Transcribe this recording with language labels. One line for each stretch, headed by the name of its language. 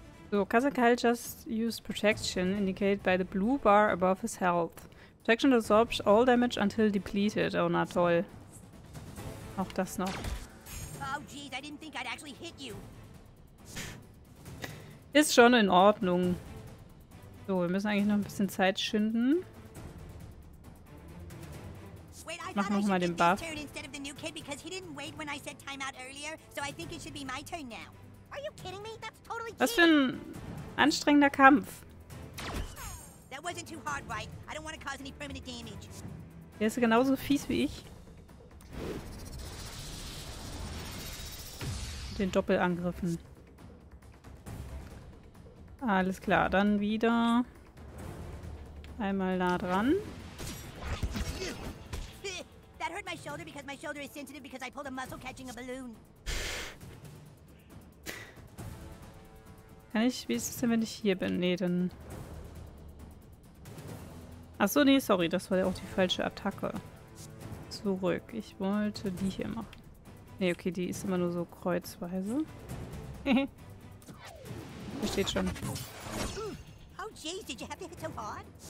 English: So, Kazakal just used protection, indicated by the blue bar above his health. Protection absorbs all damage until depleted. Oh,
German: na toll. Auch das noch.
English: Oh, jeez, I didn't think I'd actually hit you.
German: Ist schon in Ordnung. So, wir müssen eigentlich noch ein bisschen Zeit schinden. Mach nochmal den Buff.
English: Turn instead of the new kid because he didn't wait when I said time out earlier, so I think it should be my turn now. Are you kidding me? That's totally cheating.
German: Was für ein anstrengender Kampf.
English: That wasn't too hard, right? I don't want to cause any permanent damage.
German: Er ist genauso fies wie ich. Den Doppelangriffen. Alles klar, dann wieder einmal nah dran.
English: That hurt my shoulder because my shoulder is sensitive because I pulled a muscle catching a balloon.
German: Kann ich, wie ist es denn, wenn ich hier bin? Nee, dann. Achso, nee, sorry, das war ja auch die falsche Attacke. Zurück. Ich wollte die hier machen. Nee, okay, die ist immer nur so kreuzweise. Versteht schon.
English: Oh, jeez, did you have to hit so hard?